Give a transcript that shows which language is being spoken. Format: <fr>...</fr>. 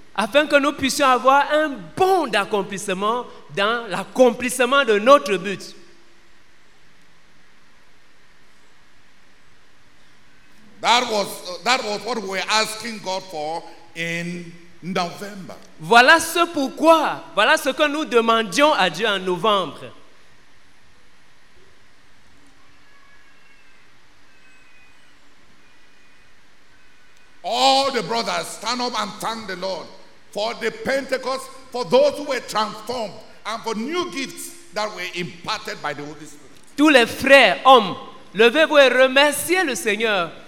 <fr>Afin que nous puissions avoir un bond d'accomplissement dans l'accomplissement de notre but.</fr> <en>That was what we were asking God for in November.</en> <fr>Voilà ce que nous demandions à Dieu en novembre.</fr> <en>All the brothers, stand up and thank the Lord for the Pentecost, for those who were transformed, and for new gifts that were imparted by the Holy Spirit.</en> <fr>Tous les frères, hommes, levez-vous et remerciez le Seigneur.</fr>